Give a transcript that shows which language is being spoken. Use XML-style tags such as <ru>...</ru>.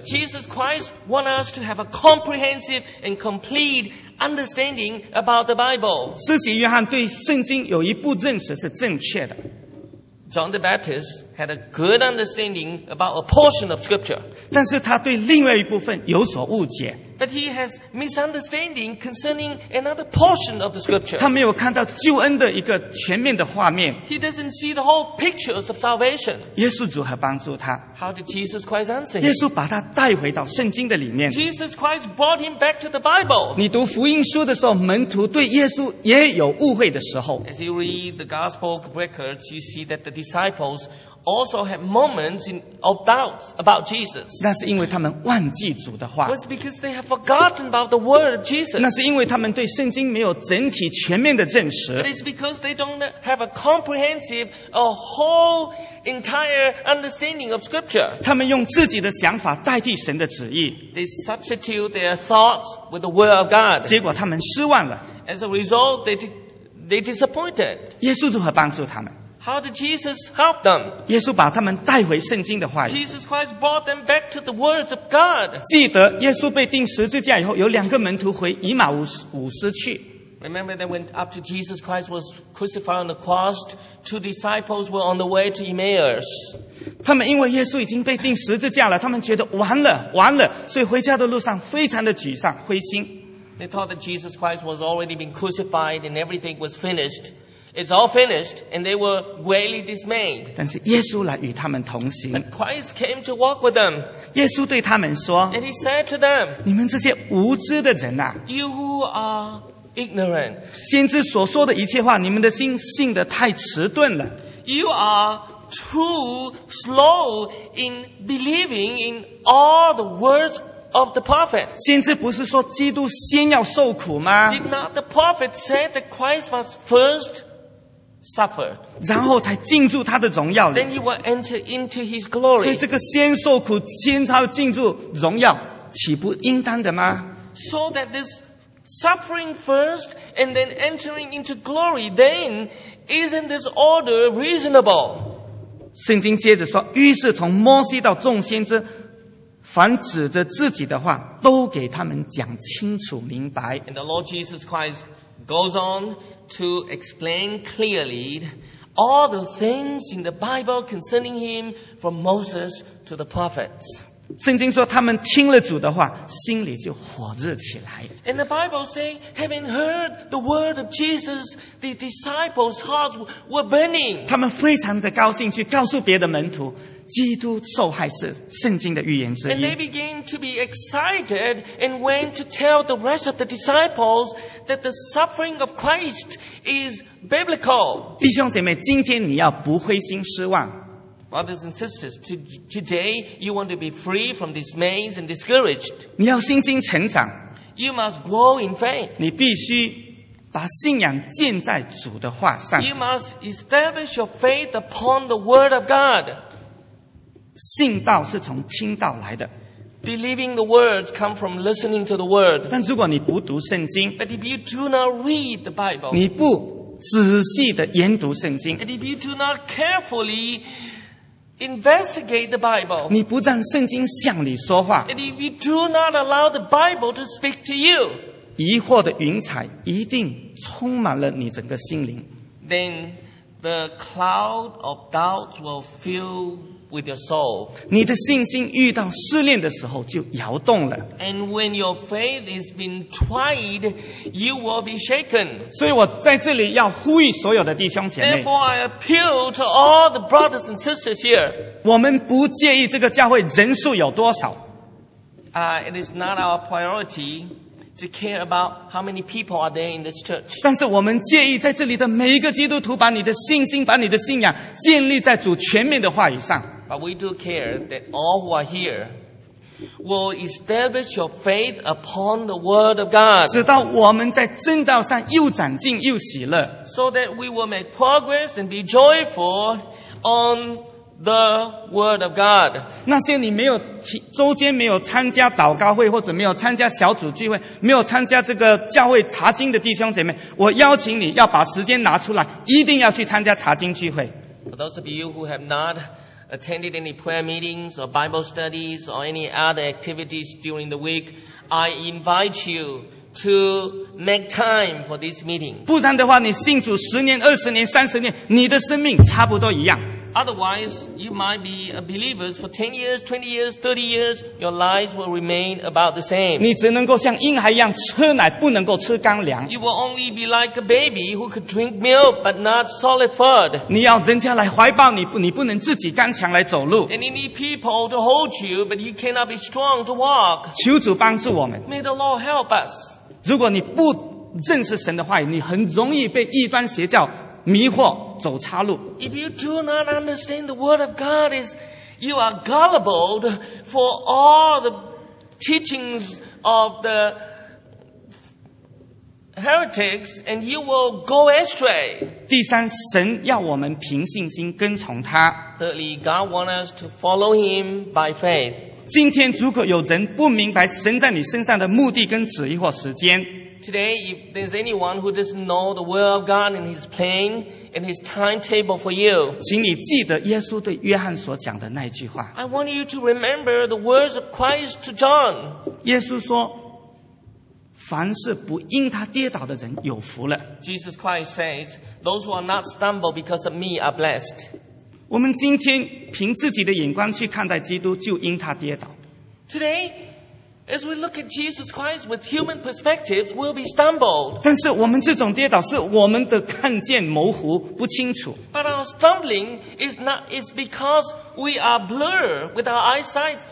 <en>Jesus Christ wants us to have a comprehensive and complete understanding about the Bible.</en> <zh>施洗约翰对圣经有一部认识是正确的。</zh> <en>John the Baptist had a good understanding about a portion of Scripture.</en> <zh>但是他对另外一部分有所误解。</zh> <en>But he has misunderstanding concerning another portion of the scripture.</en> <zh>他没有看到救恩的一个全面的画面。</zh> <en>He doesn't see the whole pictures of salvation.</en> <zh>耶稣如何帮助他？</zh> <en>How did Jesus Christ answer him?</en> <zh>耶稣把他带回到圣经的里面。</zh> <en>Jesus Christ brought him back to the Bible.</en> <zh>你读福音书的时候, 门徒对耶稣也有误会的时候。</zh> <en>As you read the gospel records, you see that the disciples also had moments of doubts about Jesus.</en> <zh>那是因为他们忘记主的话。</zh> <en>It was because they have forgotten about the word of Jesus.</en> <zh>那是因为他们对圣经没有整体全面的证实。</zh> <en>It is because they don't have a comprehensive, a whole entire understanding of Scripture.</en> <zh>他们用自己的想法代替神的旨意。</zh> <en>They substitute their thoughts with the word of God.</en> <zh>结果他们失望了。</zh> <en>As a result, they disappointed.</en> <zh>耶稣如何帮助他们？</zh> <en>How did Jesus help them?</en> <zh>耶稣把他们带回圣经的话语。</zh> <en>Jesus Christ brought them back to the words of God.</en> <zh>记得耶稣被钉十字架以后, 有两个门徒回以马忤斯去。</zh> <en>Remember that when after Jesus Christ was crucified on the cross, two disciples were on the way to Emmaus.</en> <zh>他们因为耶稣已经被钉十字架了, 他们觉得完了, 所以回家的路上非常的沮丧,</zh> <en>They thought that Jesus Christ was already been crucified and everything was finished. It's all finished, and they were greatly dismayed.</en> <zh>但是耶稣来与他们同行。</zh> <en>But Christ came to walk with them.</en> <zh>耶稣对他们说,</zh> <en>and he said to them,</en> <zh>你们这些无知的人啊,</zh> <en>you who are ignorant,</en> <zh>先知所说的一切话, 你们的心信得太迟钝了。</zh> <en>You are too slow in believing in all the words of the prophet.</en> <zh>先知不是说基督先要受苦吗?</zh> <en>Did not the prophet say that Christ was first suffer,</en> <zh>然后才进入他的荣耀里。</zh> <en>Then he will enter into his glory.</en> <zh>所以这个先受苦，先才进入荣耀， 岂不应当的吗？</zh> <en>So that this suffering first and then entering into glory, then isn't this order reasonable?</en> <zh>圣经接着说， 于是从摩西到众先知， 凡指着自己的话， 都给他们讲清楚明白。</zh> <en>And the Lord Jesus Christ goes on to explain clearly all the things in the Bible concerning him from Moses to the prophets.</en> <zh>圣经说他们听了主的话, 心里就火热起来。</zh> <en>And the Bible says, having heard the word of Jesus, the disciples' hearts were burning.</en> <zh>他们非常的高兴去告诉别的门徒, 基督受害是圣经的预言之一。</zh> <en>And they began to be excited and went to tell the rest of the disciples that the suffering of Christ is biblical.</en> <zh>弟兄姐妹, 今天你要不灰心失望。</zh> <en>Brothers and sisters, today you want to be free from dismays and discouraged.</en> <zh>你要信心成长。</zh> <en>You must grow in faith.</en> <zh>你必须 把信仰建在主的话上。</zh> <en>You must establish your faith upon the word of God.</en> <zh>信道是从听道来的。</zh> <en>Believing the words come from listening to the word.</en> <zh>但如果你不读圣经，</zh> <en>But if you do not read the Bible,</en> <zh>你不仔细的研读圣经，</zh> <en>And if you do not carefully investigate the Bible,</en> <zh>你不让圣经向你说话，</zh> <en>And if you do not allow the Bible to speak to you,</en> <zh>疑惑的云彩一定充满了你整个心灵。</zh> <en>Then the cloud of doubts will fill with your soul.</en> <zh>你的信心遇到试炼的时候就摇动了。</zh> <en>And when your faith is being tried, you will be shaken.</en> <zh>所以我在这里要呼吁所有的弟兄姐妹。</zh> <en>Therefore, I appeal to all the brothers and sisters here.</en> <zh>我们不介意这个教会人数有多少。</zh> <en>It is not our priority to care about how many people are there in this church.</en> <zh>但是我们介意在这里的每一个基督徒把你的信心把你的信仰建立在主全面的话语上。</zh> <en>But we do care that all who are here will establish your faith upon the word of God.</en> <zh>直到我们在正道上又长进又喜乐。</zh> <en>So that we will make progress and be joyful on the word of God.</en> <zh>那些你没有周间没有参加祷告会或者没有参加小组聚会没有参加这个教会查经的弟兄姐妹我邀请你要把时间拿出来一定要去参加查经聚会。</zh> <en>For those of you who have not attended any prayer meetings or Bible studies or any other activities during the week, I invite you to make time for this meeting.</en> <zh>不然的话你信主十年二十年三十年你的生命差不多一样。</zh> <en>Otherwise, you might be a believer for 10 years, 20 years, 30 years, your lives will remain about the same.</en> <zh>你只能够像婴孩一样吃奶，不能够吃干粮。</zh> <en>You will only be like a baby who could drink milk but not solid food.</en> <zh>你要人家来怀抱你，你不能自己刚强来走路。</zh> <en>And you need people to hold you, but you cannot be strong to walk.</en> <zh>求主帮助我们。</zh> <en>May the Lord help us.</en> <zh>如果你不认识神的话，你很容易被异端邪教迷惑走岔路。</zh> <en>If you do not understand the word of God, you are gullible for all the teachings of the heretics, and you will go astray.</en> <zh>第三，神要我们凭信心跟从他。</zh> <en>Thirdly, God wants us to follow him by faith.</en> <zh>今天如果有人不明白神在你身上的目的跟旨意或时间，</zh> <en>Today, if there's anyone who doesn't know the will of God and His plan and His timetable for you,</en> <zh>请你记得耶稣对约翰所讲的那句话。</zh> <en>I want you to remember the words of Christ to John.</en> <zh>耶稣说，凡是不因他跌倒的人有福了。</zh> <en>Jesus Christ says, those who are not stumbled because of me are blessed.</en> <zh>我们今天凭自己的眼光去看待基督，就因他跌倒。</zh> <en>Today, as we look at Jesus Christ with human perspectives, we'll be stumbled.</en> <zh>但是我们这种跌倒是我们的看见模糊不清楚。</zh> <en>But our stumbling is because we are blur with our eyesight.</en>